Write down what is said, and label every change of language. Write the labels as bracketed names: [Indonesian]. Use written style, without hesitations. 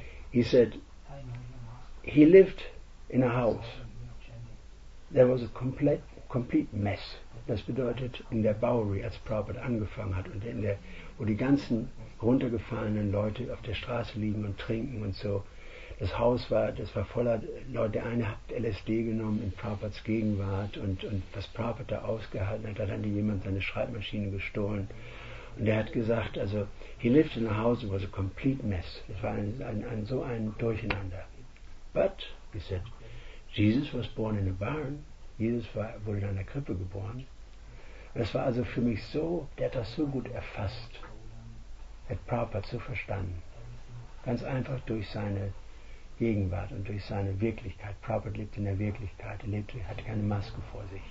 [English] He said, he lived in a house. There was a complete mess. [German] Das bedeutet, in der Bowery, als Prabhupada angefangen hat, und in der, wo die ganzen runtergefallenen Leute auf der Straße liegen und trinken und so. Das Haus war, das war voller Leute. Der eine hat LSD genommen in Prabhupads Gegenwart, und was Prabhupada ausgehalten hat, hat dann jemand seine Schreibmaschine gestohlen. Und er hat gesagt, also, [English] he lived in a house, it was a complete mess. [German] Das war ein so ein Durcheinander. [English] But, he said, Jesus was born in a barn. [German] Jesus wurde in einer Krippe geboren. Das war also für mich so, der hat das so gut erfasst, hat Prabhupada so verstanden. Ganz einfach durch seine Gegenwart und durch seine Wirklichkeit. Prabhupada lebt in der Wirklichkeit, er lebt, hatte keine Maske vor sich.